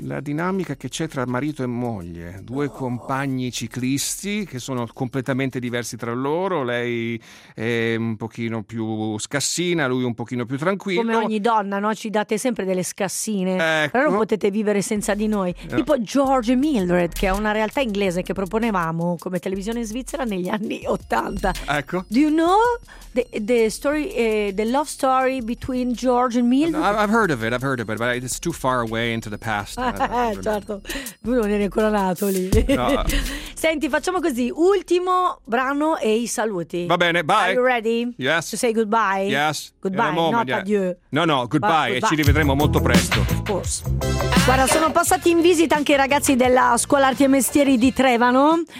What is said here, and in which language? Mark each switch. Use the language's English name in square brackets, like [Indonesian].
[Italian] La dinamica che c'è tra marito e moglie, due compagni ciclisti che sono completamente diversi tra loro, lei è un pochino più scassina, lui un pochino più tranquillo. Come ogni donna, no? Ci date sempre delle scassine, ecco. Però non potete vivere senza di noi. Tipo George Mildred, che è una realtà inglese che proponevamo come televisione svizzera negli anni 80. Ecco. [English] Do you know the love story between George and Mildred? I've heard of it, but it's too far away into the past. [Italian] Certo, lui non è ancora nato lì. No. Senti, facciamo così: ultimo brano e i saluti. Va bene, bye. [English] Are you ready? Yes. To say goodbye. Yes. Goodbye, moment, not yeah. adieu. [Italian] No, no, goodbye. Goodbye. E ci rivedremo molto presto. [English] Of course. [Italian] Guarda, sono passati in visita anche i ragazzi della Scuola Arti e Mestieri di Trevano.